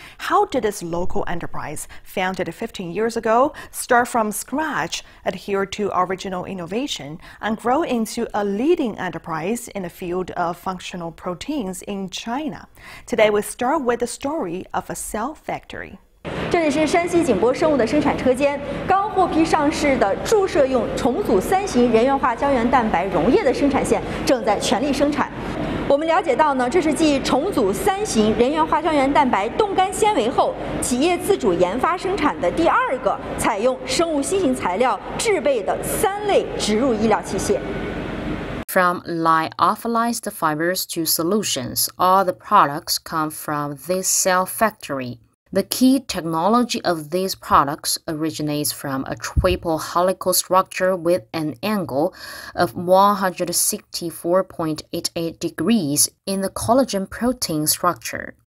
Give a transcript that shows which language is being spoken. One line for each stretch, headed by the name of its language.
English: How did this local enterprise, founded 15 years ago, start from scratch, adhere to original innovation, and grow into a leading enterprise in the field of functional proteins in China? Today we start with the story of a cell factory.
Chinese: 这里是山西景博生物的生产车间，刚获批上市的注射用重组三型人源化胶原蛋白溶液的生产线正在全力生产。我们了解到呢，这是继重组三型人源化胶原蛋白冻干纤维后，企业自主研发生产的第二个采用生物新型材料制备的三类植入医疗器械。
English: From lyophilized fibers to solutions, all the products come from this cell factory. The key technology of these products originates from a triple helical structure with an angle of 164.88 degrees in the collagen protein structure.